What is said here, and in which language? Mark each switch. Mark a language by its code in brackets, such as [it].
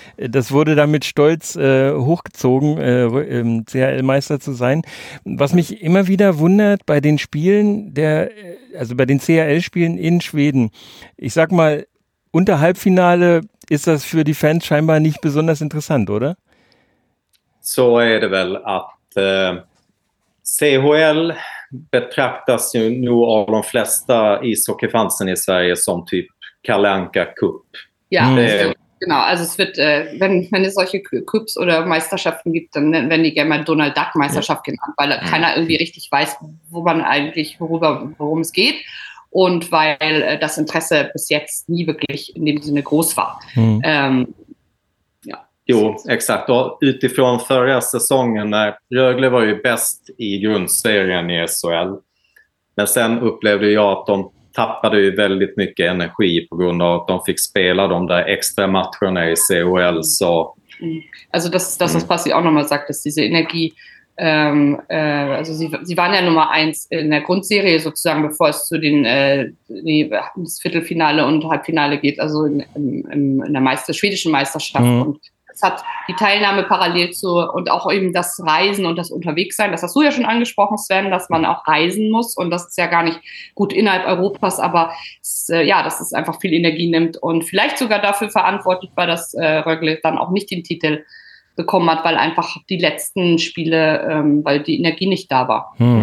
[de] Das wurde dann mit Stolz hochgezogen, CHL-Meister zu sein. Was mich immer wieder wundert bei den Spielen, bei den CHL-Spielen in Schweden. Ich sag mal, unter Halbfinale ist das für die Fans scheinbar nicht besonders interessant, oder? [sv] So är det väl att CHL betraktas ju nog av de flesta ishockeyfansen i Sverige som typ Kalle Anka Cup. [de] Ja, Genau, also es wird, wenn es solche Cups oder Meisterschaften gibt, dann werden die gerne mal Donald Duck Meisterschaft genannt, weil keiner irgendwie richtig weiß, wo man eigentlich, worum es geht. Und weil das Interesse bis jetzt nie wirklich in dem Sinne groß war. [sv] Jo, exakt. Och utifrån förra säsongen när Rögle var ju bäst i grundserien i SHL. Men sen upplevde jag att de tappade ju väldigt mycket energi på grund av att de fick spela de där extra matcherna i CHL. Så. [de] Alltså das, was Passi auch nochmal sagt, dass diese Energie, also sie waren ja Nummer 1 in der Grundserie sozusagen, bevor es zu den das Viertelfinale und Halbfinale geht, also in der schwedischen Meisterschaft. Und es hat die Teilnahme parallel zu und auch eben das Reisen und das Unterwegssein, das hast du ja schon angesprochen, Sven, dass man auch reisen muss und das ist ja gar nicht gut innerhalb Europas, aber es, ja, dass es einfach viel Energie nimmt und vielleicht sogar dafür verantwortlich war, dass Rögle dann auch nicht den Titel bekommen hat, weil einfach die letzten Spiele, weil die Energie nicht da war.